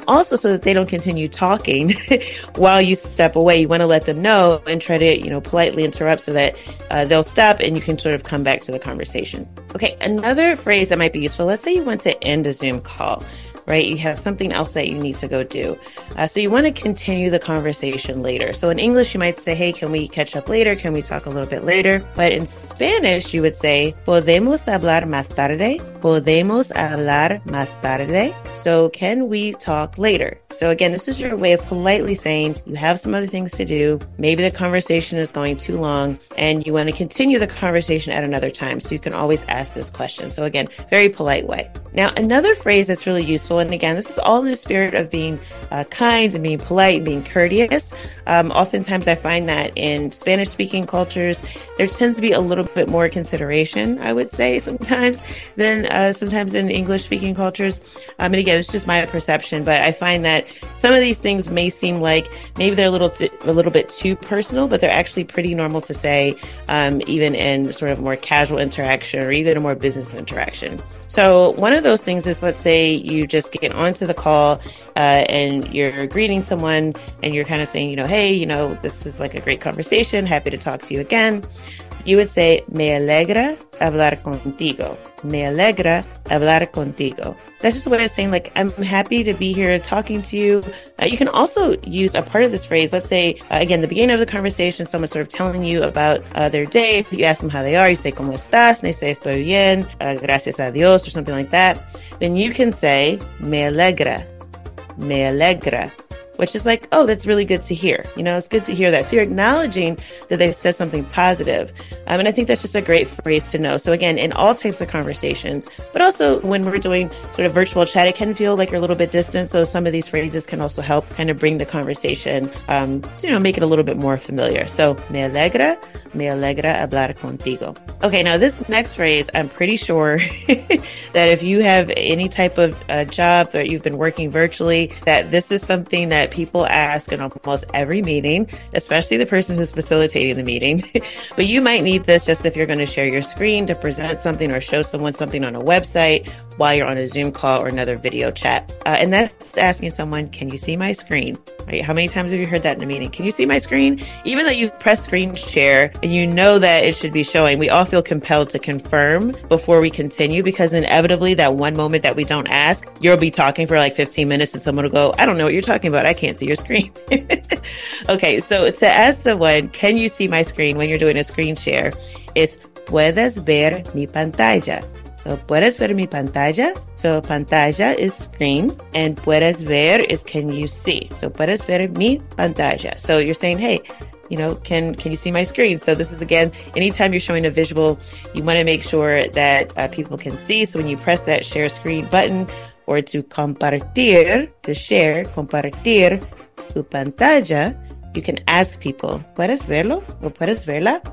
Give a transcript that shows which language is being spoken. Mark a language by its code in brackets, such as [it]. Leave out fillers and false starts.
[en] Also, so that they don't continue talking while you step away, you want to let them know and try to, you know, politely interrupt so that they'll stop and you can sort of come back to the conversation. Okay, another phrase that might be useful. Let's say you want to end a Zoom call, right? You have something else that you need to go do. So you want to continue the conversation later. So in English, you might say, hey, can we catch up later? Can we talk a little bit later? But in Spanish, you would say, [es] ¿podemos hablar más tarde? ¿Podemos hablar más tarde? [en] So can we talk later? So again, this is your way of politely saying you have some other things to do. Maybe the conversation is going too long and you want to continue the conversation at another time. So you can always ask this question. So again, very polite way. Now, another phrase that's really useful, and again, this is all in the spirit of being kind and being polite and being courteous. Oftentimes, I find that in Spanish-speaking cultures, there tends to be a little bit more consideration, I would say, sometimes than sometimes in English-speaking cultures. And again, it's just my perception, but I find that some of these things may seem like maybe they're a little bit too personal, but they're actually pretty normal to say, even in sort of more casual interaction or even a more business interaction. So one of those things is, let's say you just get onto the call and you're greeting someone and you're kind of saying, you know, hey, you know, this is like a great conversation. Happy to talk to you again. You would say, [es] me alegra hablar contigo. Me alegra hablar contigo. [en] That's just a way of saying, like, I'm happy to be here talking to you. You can also use a part of this phrase. Let's say, again, the beginning of the conversation, someone's sort of telling you about their day. You ask them how they are. You say, [es] ¿cómo estás? [en] And they say, [es] estoy bien. Gracias a Dios, [en] or something like that. Then you can say, [es] me alegra. Me alegra. [en] Which is like, oh, that's really good to hear. You know, it's good to hear that. So you're acknowledging that they said something positive. And I think that's just a great phrase to know. So again, in all types of conversations, but also when we're doing sort of virtual chat, it can feel like you're a little bit distant. So some of these phrases can also help kind of bring the conversation, you know, make it a little bit more familiar. [es] So me alegra hablar contigo. [en] Okay, now this next phrase, I'm pretty sure that if you have any type of job or you've been working virtually, that this is something that people ask in almost every meeting, especially the person who's facilitating the meeting. But you might need this just if you're going to share your screen to present something or show someone something on a website while you're on a Zoom call or another video chat. And that's asking someone, can you see my screen? Right? How many times have you heard that in a meeting? Can you see my screen? Even though you press screen share, and you know that it should be showing, we all feel compelled to confirm before we continue, because inevitably that one moment that we don't ask, you'll be talking for like 15 minutes and someone will go, I don't know what you're talking about. I can't see your screen. Okay, so to ask someone, can you see my screen when you're doing a screen share? [es] It's, ¿puedes ver mi pantalla? So, ¿puedes ver mi pantalla? [en] So, pantalla is screen, and ¿puedes ver is can you see? [es] So, ¿puedes ver mi pantalla? [en] So, you're saying, hey, you know, can you see my screen? So, this is, again, anytime you're showing a visual, you want to make sure that people can see. So, when you press that share screen button, or to compartir, to share, [es] compartir tu pantalla, [en] you can ask people, [es] ¿puedes verlo? ¿O puedes verla?